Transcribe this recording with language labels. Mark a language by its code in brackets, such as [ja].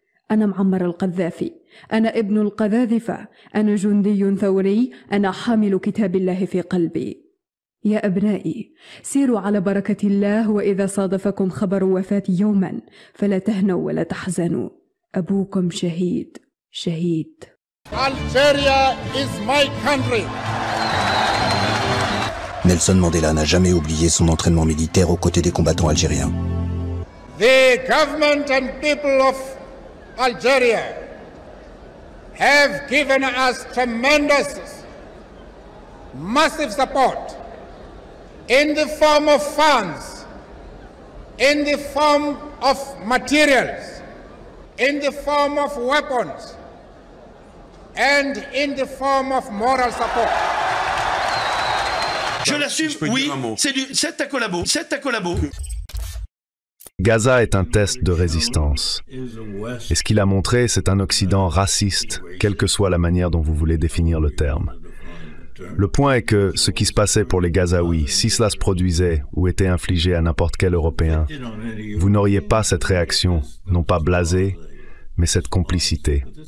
[ar] أنا معمر القذافي، أنا ابن القذاذفة، أنا جندي ثوري، أنا حامل كتاب الله في قلبي. يا أبنائي سيروا على بركة الله، وإذا صادفكم خبر وفاة يوما فلا تهنوا ولا تحزنوا، أبوكم شهيد شهيد. [en] Algeria is my country. [fr] Nelson Mandela n'a jamais oublié son entraînement militaire aux côtés des combattants algériens. [en] The government and people of Algeria have given us tremendous massive support in the form of funds, in the form of materials, in the form of weapons, and in the form of moral support. [fr] Je l'assume, oui, c'est ta collabo, c'est ta collabo. Gaza est un test de résistance. Et ce qu'il a montré, c'est un Occident raciste, quelle que soit la manière dont vous voulez définir le terme. Le point est que ce qui se passait pour les Gazaouis, si cela se produisait ou était infligé à n'importe quel Européen, vous n'auriez pas cette réaction, non pas blasée, mais cette complicité.